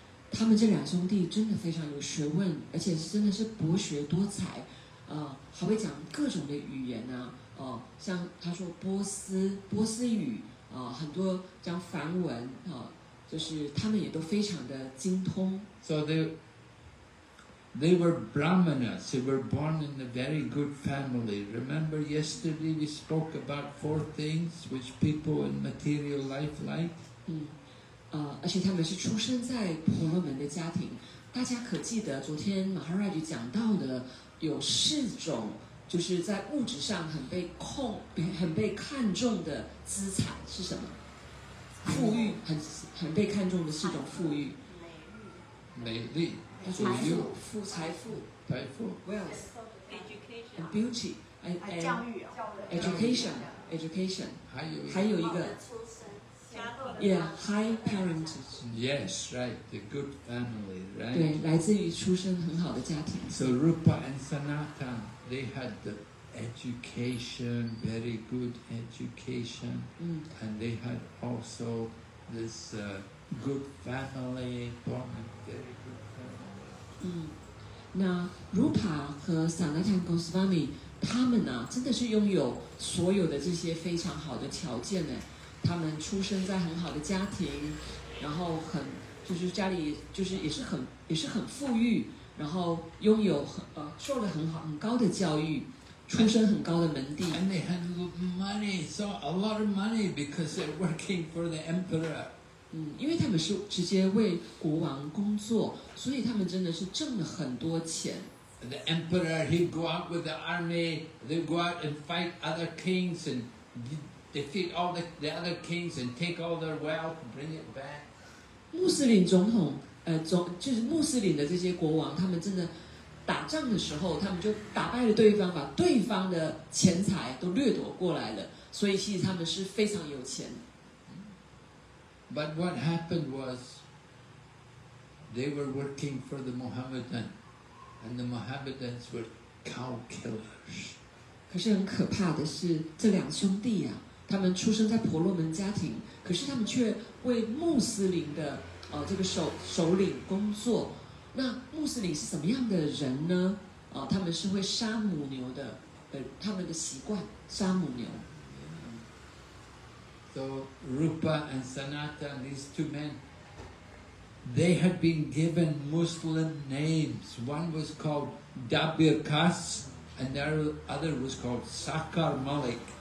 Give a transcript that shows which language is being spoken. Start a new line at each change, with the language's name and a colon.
Chinese: 他们这两兄弟真的非常有学问，而且真的是博学多才，还会讲各种的语言呢，像他说波斯语，很多讲梵文，就是他们也都非常的精通。
English: So they were brahmanas, they were born in a very good family. Remember yesterday we spoke about four things which people in material life like?
Chinese: 而且他们是出生在婆罗门的家庭。大家可记得昨天 Maharaj 讲到的有四种就是在物质上很被看重的资产是什么？富裕，很被看重的四种富裕。美丽。财富
English: wealth and beauty and education education.
Chinese: 还有一个
English: yeah, high parentage. Yes, right. The good family, right?
Chinese: 对，来自于出身很好的家庭。
English: So Rupa and Sanatan, they had the education, very good education, and they had also this good family, born a very good family.
Chinese: 嗯，那 Rupa 和 Sanatan Goswami 他们呢，真的是拥有所有的这些非常好的条件呢。他们出生在很好的家庭，然后很就是家里就是也是很富裕，然后拥有受了很高的教育，出身很高的门第。
English: And they had money, so a lot of money because they're working for the emperor.
Chinese: 嗯，因为他们是直接为国王工作，所以他们真的是挣了很多钱。
English: The emperor, he'd go out with the army, they'd go out and fight other kings and. Defeat all the other kings and take all their wealth, bring it back.
Chinese: 穆斯林总统，就是穆斯林的这些国王，他们真的打仗的时候，他们就打败了对方，把对方的钱财都掠夺过来了。所以其实他们是非常有钱。
English: But what happened was, they were working for the Mohammedan, and the Mohammedans were cow killers.
Chinese: 可是很可怕的是，这两兄弟呀。他们出生在婆罗门家庭，可是他们却为穆斯林的这个首领工作。那穆斯林是什么样的人呢？他们是会杀母牛的，他们的习惯杀母牛。
English: So Rupa and Sanatan, these two men, they had been given Muslim names. One was called Dabir Qas, and the other was called Sakar Malik.